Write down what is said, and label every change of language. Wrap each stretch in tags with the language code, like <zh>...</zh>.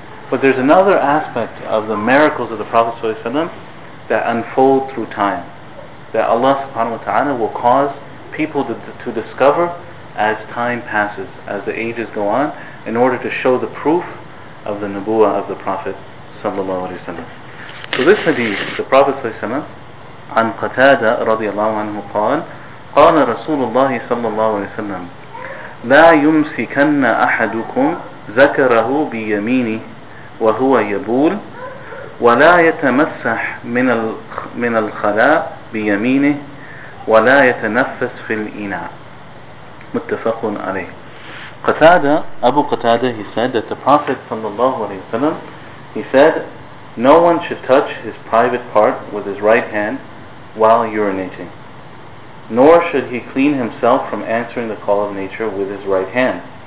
<en>But there's another aspect of the miracles of the Prophet ﷺ that unfold through time, that Allah subhanahu wa ta'ala will cause people to discover as time passes, as the ages go on, in order to show the proof of the nubuwa of the Prophet ﷺ. So this hadith, the Prophet ﷺ,</en> <ar>عن قتادة رضي الله عنه قال قال رسول الله صلى الله عليه وسلم لا يمسكن أحدكم ذكره بيمينه وهو يبول ولا يتمسح من الخلاء بيمينه ولا يتنفس في الإناء متفق عليه.</ar> <en>Qatada, Abu Qatada, he said that the Prophet sallallahu alayhi wa sallam, he said, no one should touch his private part with his right hand while urinating, nor should he clean himself from answering the call of nature with his right hand.</en>